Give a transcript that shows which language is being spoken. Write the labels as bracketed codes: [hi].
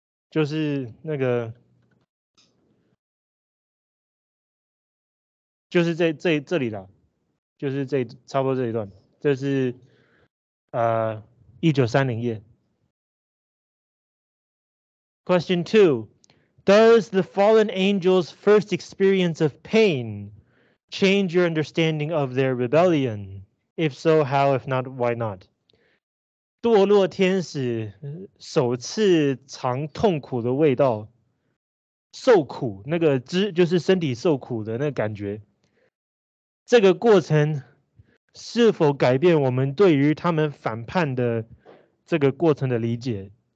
[zh] 就是那个，就是这里了，就是这差不多这一段，这是1930页。 [en] Question two, does the fallen angel's first experience of pain change your understanding of their rebellion? If so, how? If not, why not? [zh] 堕落天使首次尝痛苦的味道，受苦，那个知就是身体受苦的那感觉。这个过程是否改变我们对于他们反叛的这个过程的理解？